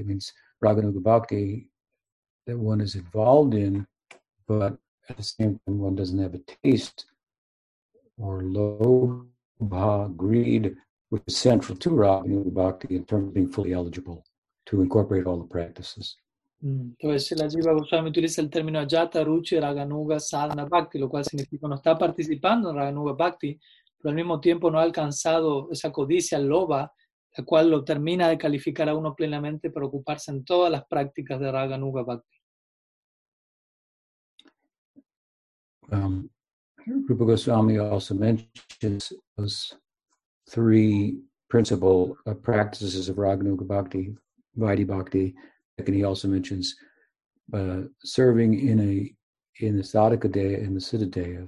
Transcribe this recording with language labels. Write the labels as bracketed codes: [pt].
[en] It means raganuga bhakti that one is involved in, but at the same time, one doesn't have a taste or lobha, greed, which is central to raganuga bhakti in terms of being fully eligible to incorporate all the practices. [es] Entonces, la Jiva Goswami utiliza el término ajata ruchi raganuga sadhana bhakti, lo cual significa no está participando en raganuga bhakti, pero al mismo tiempo no ha alcanzado esa codicia loba, la cual lo termina de calificar a uno plenamente para ocuparse en todas las prácticas de Raga Nuga Bhakti. [en] Rupa Goswami also mentions those three principal practices of Raga Nuga Bhakti, Vaidhi Bhakti, and he also mentions serving in the Sadakadeya and the Siddhadeya.